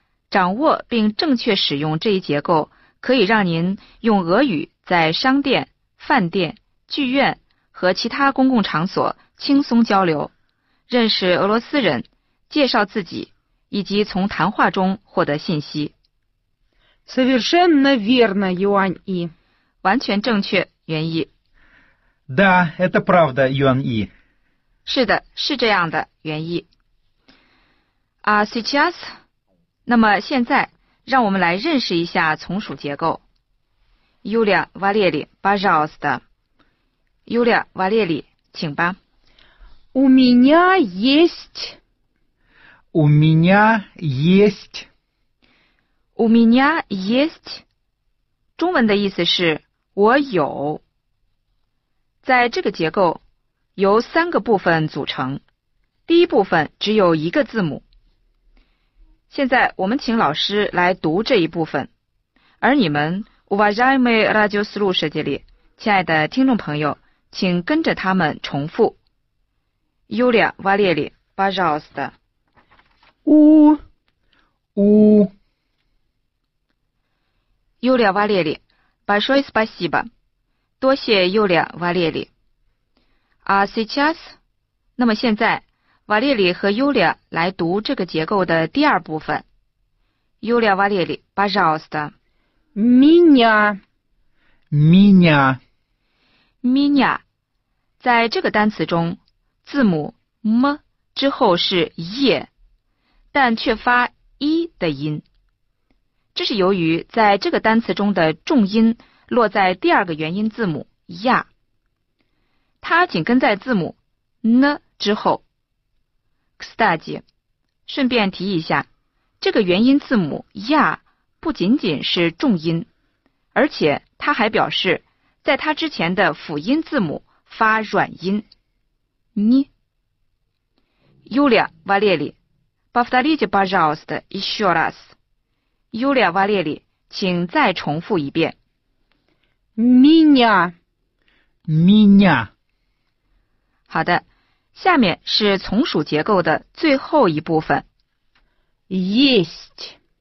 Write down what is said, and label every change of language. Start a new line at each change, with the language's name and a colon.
Chinese: 掌握并正确使用这一结构，可以让您用俄语在商店、饭店、剧院和其他公共场所轻松交流，认识俄罗斯人，介绍自己，以及从谈话中获得信息。
Russian: Совершенно верно, Юань И.
Chinese: 完全正确，原意。
Russian: Да, это правда, Юань И.
Chinese: 是的，是这样的，原意。啊，сейчас， 那么现在，让我们来认识一下从属结构。
Russian: Юля, Валерий, пожалуйста. Юля, Валерий,
Chinese: 请吧。
Russian: У меня есть. У меня есть. У меня есть.
Chinese: 中文的意思是我有。在这个结构。由三个部分组成，第一部分只有一个字母。现在我们请老师来读这一部分，而你们
Russian: Уважаемые радиослушатели
Chinese: 亲爱的听众朋友，请跟着他们重复。
Russian: Юля, Валерий, пожалуйста. У. У. Юля, Валерий, большое спасибо.
Chinese: 多谢
Russian: Юля, Валерий.
Chinese: 啊，сейчас， 那么现在，瓦列里和尤利亚来读这个结构的第二部分。尤利亚，瓦列里，巴扎奥斯的。
Russian: меня， меня，
Chinese: меня， 在这个单词中，字母么之后是е，但却发一的音。这是由于在这个单词中的重音落在第二个元音字母呀。它紧跟在字母 n 之后。
Russian: Кстати,
Chinese: 顺便提一下，这个元音字母 ya 不仅仅是重音，而且它还表示在它之前的辅音字母发软音。 ni.
Russian: Юля, Валерий, повторите, пожалуйста, еще раз.
Chinese: Юля, Валерий, 请再重复一遍。
Russian: меня. меня.
Chinese: 好的，下面是从属结构的最后一部分。
Russian: есть